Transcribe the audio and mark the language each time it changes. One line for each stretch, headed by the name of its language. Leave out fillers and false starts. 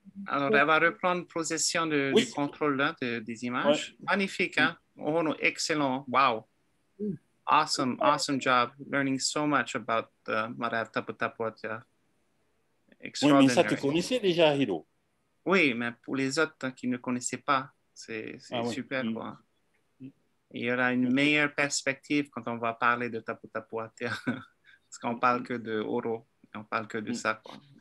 French: Alors, elle va reprendre possession du contrôle là, des images. Ouais. Magnifique, hein?
English: Oh, no, excellent. Wow. Mm. Awesome, awesome job. Learning so much about the Marae of Taputapuātea. Extraordinary.
French: Oui, mais ça, tu connaissais déjà, Hiro? Oui, mais pour les autres qui ne connaissaient pas, c'est super, quoi. Mm. Il y aura une meilleure perspective quand on va parler de Taputapuātea. Parce qu'on parle que de Oro, et on parle que de ça. Quoi.